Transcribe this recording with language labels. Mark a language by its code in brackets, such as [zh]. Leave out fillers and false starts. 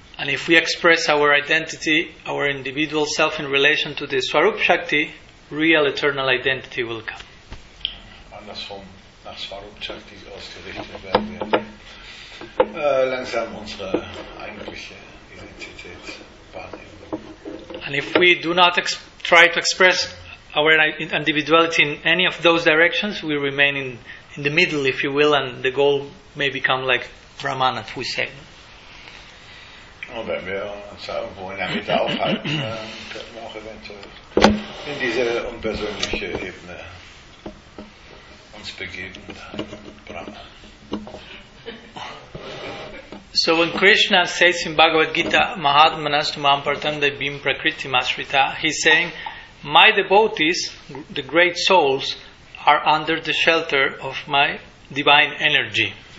[en] And if we express our identity, our individual self in relation to the Swarup Shakti, real eternal identity will come. [de] Andersrum, nach Swarup Shakti ausgerichtet werden wir langsam unsere eigentliche Identität wahrnehmen. [en] And if we do not try to express our individuality in any of those directions, we remain in the middle, if you will, and the goal may become like Brahman, as we say. [de] Und wenn wir uns irgendwo in der Mitte aufhalten, können wir auch eventuell in diese unpersönliche Ebene uns begeben, Brahman. [en] So when Krishna says in Bhagavad Gita, [sa] Mahatmanastumam Partam Daivi-prakriti Masrita, [en] he's saying, my devotees, the great souls, are under the shelter of my divine energy.